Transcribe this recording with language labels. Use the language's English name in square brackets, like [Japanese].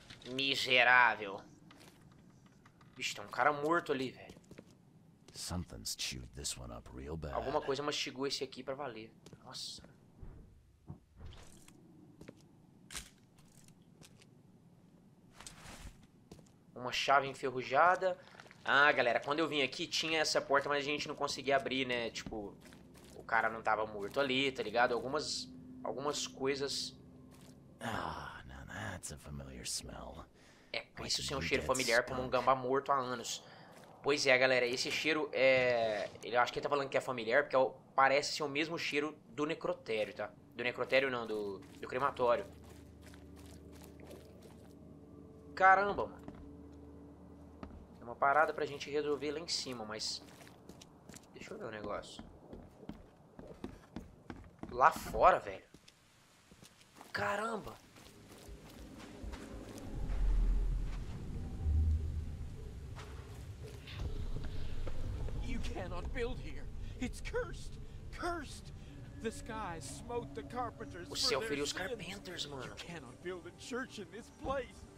[Portuguese] Miserável. Vixe, tem um cara morto ali, velho. [English] Something's chewed this one up real bad. [Portuguese] Alguma coisa mastigou esse aqui pra valer. Nossa. Uma chave enferrujada. Ah, galera, quando eu vim aqui tinha essa porta, mas a gente não conseguia abrir, né? Tipo, o cara não tava morto ali, tá ligado? Algumas coisas. [English] Ah, now that's a familiar smell. [Portuguese] É, isso sim é um cheiro familiar como um gambá morto há anos. Pois é, galera, esse cheiro é... Eu acho que ele tá falando que é familiar, porque parece ser o mesmo cheiro do necrotério, tá? Do necrotério não, do crematório. Caramba, mano. Tem uma parada pra gente resolver lá em cima, mas... Deixa eu ver o negócio. Lá fora, velho. Caramba. [English] Cannot build here. It's cursed. Cursed. The sky smote the carpenters. [Portuguese] O céu feriu os carpinteiros, mano. [English] You cannot build a church in this place.